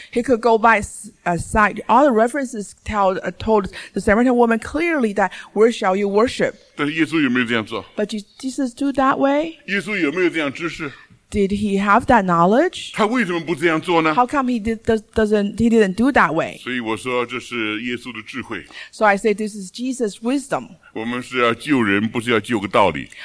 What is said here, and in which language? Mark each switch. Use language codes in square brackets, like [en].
[en] He could go by sight. All the references told the Samaritan woman clearly that, where shall you worship? [zh] 但是耶稣有没有这样做？ [en] But Jesus do that way? [zh] 耶稣有没有这样知识？ [en] Did he have that knowledge? [zh] 他为什么不这样做呢？ [en] How come he didn't do that way? [zh] 所以我说这是耶稣的智慧。 [en] So I say this is Jesus' wisdom. [zh] 我们是要救人，不是要救个道理。